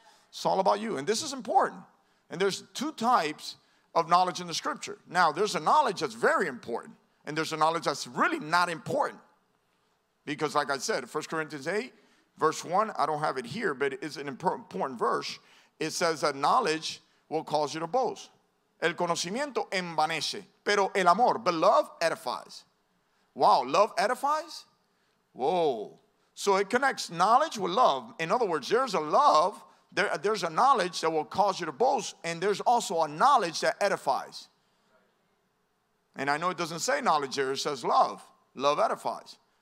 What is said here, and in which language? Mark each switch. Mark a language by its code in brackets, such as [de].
[en] It's all about you. And this is important. And there's two types of knowledge in the scripture. Now, there's a knowledge that's very important. And there's a knowledge that's really not important. Because like I said, 1 Corinthians 8, verse 1, I don't have it here, but it's an important verse. It says that knowledge will cause you to boast. [es] El conocimiento envanece, pero el amor, [en] but love edifies. Wow, love edifies? Whoa. So it connects knowledge with love. In other words, there's a love, there's a knowledge that will cause you to boast, and there's also a knowledge that edifies. And I know it doesn't say knowledge here, it says love. Love edifies.